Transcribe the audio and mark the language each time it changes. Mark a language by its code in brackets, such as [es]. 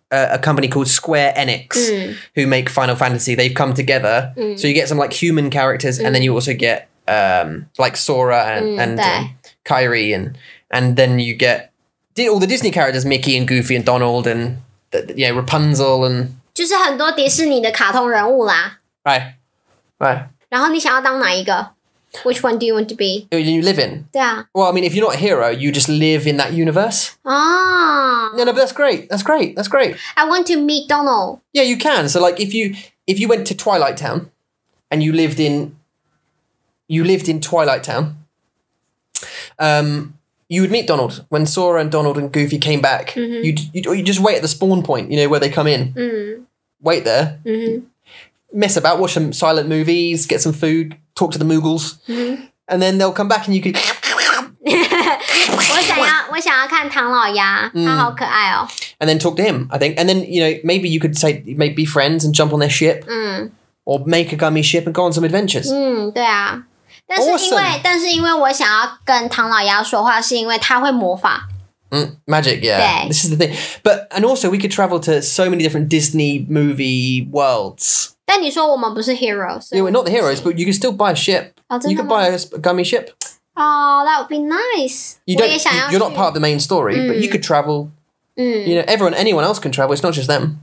[en] A company called Square Enix, who make Final Fantasy. They've come together. So you get some like human characters, and then you also get like Sora and Kairi, and then you get all the Disney characters, Mickey and Goofy and Donald and Rapunzel and. [zh] 就是很多迪士尼的卡通人物啦。 [en] Right. [zh] 然后你想要当哪一个？ [en] Which one do you want to be? You live in? Yeah. Well, I mean, if you're not a hero, you just live in that universe. Ah. No, but that's great. I want to meet Donald. Yeah, you can. So, like, if you went to Twilight Town and you lived in Twilight Town, you would meet Donald. When Sora and Donald and Goofy came back, you'd just wait at the spawn point, you know, where they come in. Mm-hmm. Wait there. Mm-hmm. Mess about, watch some silent movies, get some food. Talk to the Moogles, and then they'll come back, and you can. [zh] 我想要看唐老鸭，他好可爱哦。 [en] And then talk to him, I think. And then you know, maybe you could say, maybe be friends and jump on their ship, or make a gummy ship and go on some adventures. [zh] 对啊，但是因为我想要跟唐老鸭说话，是因为他会魔法。 [en] Magic, yeah. This is the thing. But and also, we could travel to so many different Disney movie worlds. [zh] 但你说我们不是 heroes. [en] Yeah, we're not the heroes, but you can still buy a ship. Oh, you could buy a gummy ship. Oh, that would be nice. You're not part of the main story, but you could travel. You know, anyone else can travel. It's not just them.